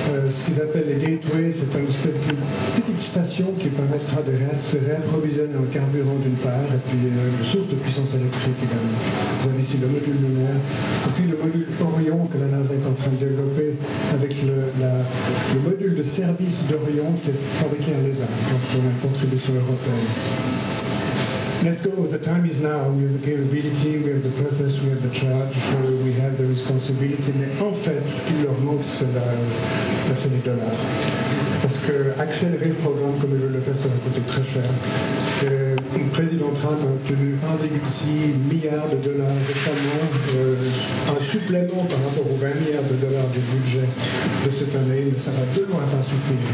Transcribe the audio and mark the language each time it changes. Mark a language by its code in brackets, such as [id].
[fr] Ce qu'ils appellent les gateways, c'est une petite station qui permettra de se réapprovisionner en carburant d'une part et puis une source de puissance électrique également. Vous avez ici le module lunaire et puis le module Orion que la NASA est en train de développer avec le module de service d'Orion qui est fabriqué à l'ESA pour une contribution européenne. [en] Let's go, the time is now, we have the capability, we have the purpose, we have the charge, we have the responsibility, [fr] mais en fait, ce qui leur manque, c'est les dollars. Parce que accélérer le programme comme ils veulent le faire, ça va coûter très cher. Le président Trump a obtenu 1,6 milliard de dollars récemment, un supplément par rapport aux 20 milliards de dollars du budget de cette année, mais ça va de loin pas suffire.